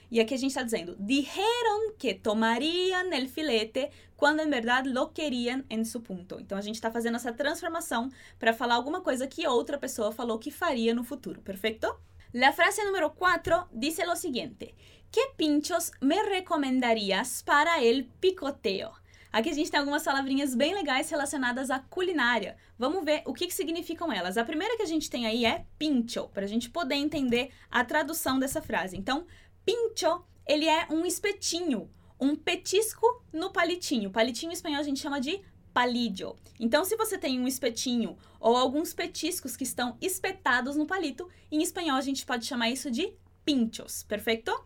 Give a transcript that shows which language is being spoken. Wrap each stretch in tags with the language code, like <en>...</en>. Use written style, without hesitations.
<pt>E aqui a gente está dizendo,</pt> <es>dijeron que tomarían el filete cuando en verdad lo querían en su punto.</es> <pt>Então, a gente está fazendo essa transformação para falar alguma coisa que outra pessoa falou que faria no futuro. Perfeito?</pt> <es>La frase número 4 dice lo siguiente. ¿Qué pinchos me recomendarías para el picoteo?</es> <pt>Aqui a gente tem algumas palavrinhas bem legais relacionadas à culinária. Vamos ver o que significam elas. A primeira que a gente tem aí é pincho, para a gente poder entender a tradução dessa frase. Então, pincho, ele é um espetinho, um petisco no palitinho. Palitinho em espanhol a gente chama de palillo. Então, se você tem um espetinho ou alguns petiscos que estão espetados no palito, em espanhol a gente pode chamar isso de pinchos, perfeito?</pt>